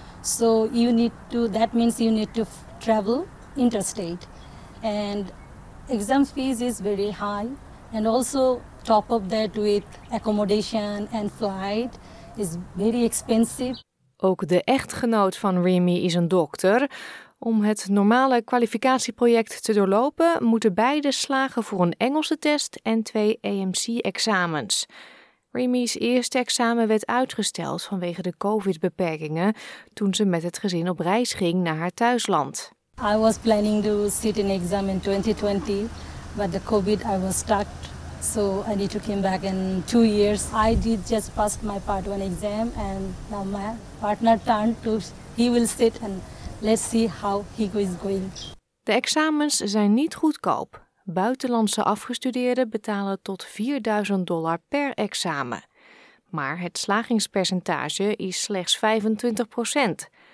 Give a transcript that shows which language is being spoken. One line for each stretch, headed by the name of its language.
English: So you need to, that means you need to travel interstate. And exam fees is very high, and also top of that with accommodation and flight is very expensive.
Dutch: Ook de echtgenoot van Remy is een dokter. Om het normale kwalificatieproject te doorlopen, moeten beide slagen voor een Engelse test en 2 AMC-examens. Remy's eerste examen werd uitgesteld vanwege de COVID-beperkingen toen ze met het gezin op reis ging naar haar thuisland.
English: I was planning to sit an exam in 2020, but the COVID, I was stuck, so I need to come back in 2 years. I did just pass my part one exam, and now my partner turned to, he will sit and let's see how he is going.
Dutch: De examens zijn niet goedkoop. Buitenlandse afgestudeerden betalen tot $4,000 per examen. Maar het slagingspercentage is slechts 25%.